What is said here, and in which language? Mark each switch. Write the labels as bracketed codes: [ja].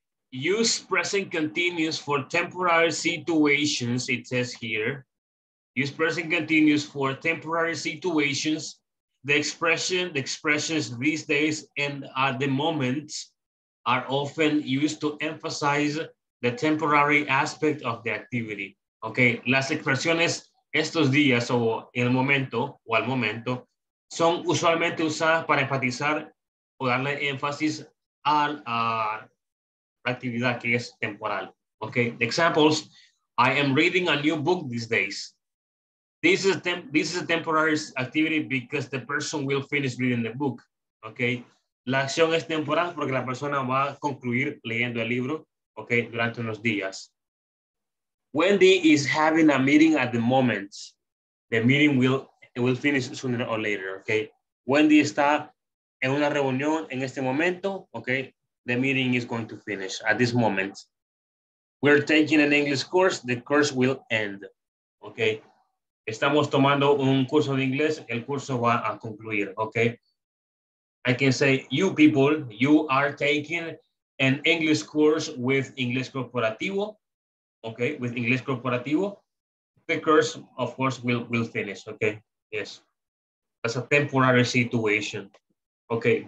[en] Use present continuous for temporary situations, it says here. Use present continuous for temporary situations. The expressions these days and at the moment are often used to emphasize the temporary aspect of the activity. [es] Okay, las expresiones estos días o el momento o al momento son usualmente usadas para enfatizar o darle énfasis al actividad que es temporal. [en] Okay, examples. I am reading a new book these days. This is a temporary activity because the person will finish reading the book. [es] Okay, la acción es temporal porque la persona va a concluir leyendo el libro, okay, durante unos días. [en] Wendy is having a meeting at the moment. The meeting will finish sooner or later. [es] Okay, Wendy está en una reunión en este momento. [en] Okay, the meeting is going to finish at this moment. We're taking an English course, the course will end. [es] Okay, estamos tomando un curso de inglés, el curso va a concluir, okay? [en] I can say, you people, you are taking an English course with Inglés Corporativo, okay, with Inglés Corporativo. The course, of course, will finish, okay? Yes, that's a temporary situation, okay?